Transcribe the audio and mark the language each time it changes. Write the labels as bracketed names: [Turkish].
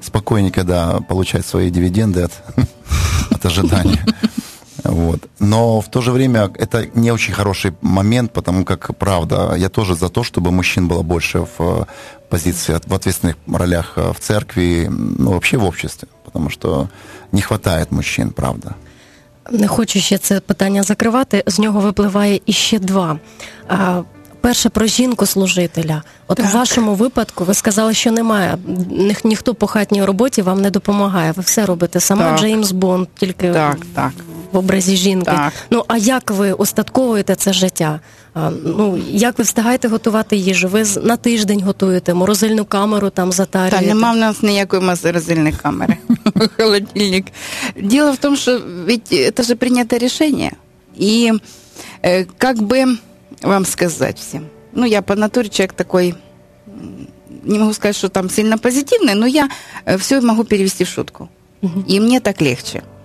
[Russian] Спокойненько, да, получать свои дивиденды от ожидания. Вот. Но в то же время это не очень хороший момент, потому как, правда, я тоже за то, чтобы мужчин было больше в позиции, в ответственных ролях в церкви, ну, вообще в обществе, потому что не хватает мужчин, правда. [Ukrainian] Не хочу ще це питання закривати, з нього випливає іще два. Перше, про жінку-служителя. От так. У вашому випадку ви сказали, що немає, ніхто по хатній роботі вам не допомагає, ви все робите сама, так. Джеймс Бонд, тільки так. В образі жінки. Так. Ну, а як ви устатковуєте це життя? Ну, як ви встигаєте готувати їжу? Ви на тиждень готуєте, морозильну камеру там затарюєте? Та, немає в нас ніякої морозильної камери. Холодильник. [Russian] Дело в том, что ведь это же принято решение. И как бы вам сказать всем? Ну, я по натуре человек такой, не могу сказать, что там сильно позитивный, но я все могу перевести в шутку. И мне так легче.